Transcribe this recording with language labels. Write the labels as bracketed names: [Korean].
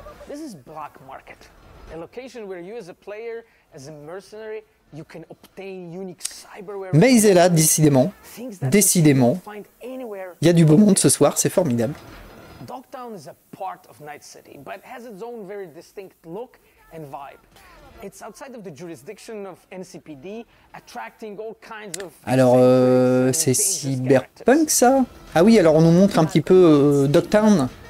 [English] This is Black Market, a location where you as a player, as a mercenary, you can obtain unique cyberware. [French] Mais il est là, décidément. Décidément. Il y a du beau monde ce soir, c'est formidable. [English] Docktown is a part of Night City, but has its own very distinct look and vibe. It's outside of the jurisdiction of NCPD, attracting all kinds of [French] Alors, c'est cyberpunk ça? Ah oui, alors on nous montre un petit peu Docktown.